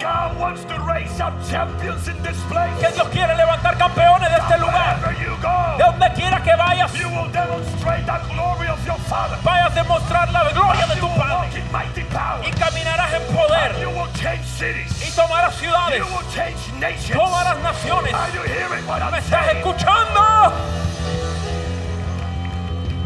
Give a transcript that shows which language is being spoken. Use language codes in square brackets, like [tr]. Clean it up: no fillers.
[en] God wants to raise up champions in this place. [es] Que Dios quiere levantar campeones de este lugar. [en] Wherever you go, [es] de donde quiera que vayas. [en] You will demonstrate the glory of your Father. [es] Vaya a demostrar la gloria de tu Padre. [en] Power. [es] Y caminarás en poder. [en] You will change cities. [es] Y tomarás ciudades. [en] You will change nations. [es] Tomarás naciones. [en] Are you hearing what [es] ¿Me [en] I'm [es] estás [en] saying? [es] Escuchando?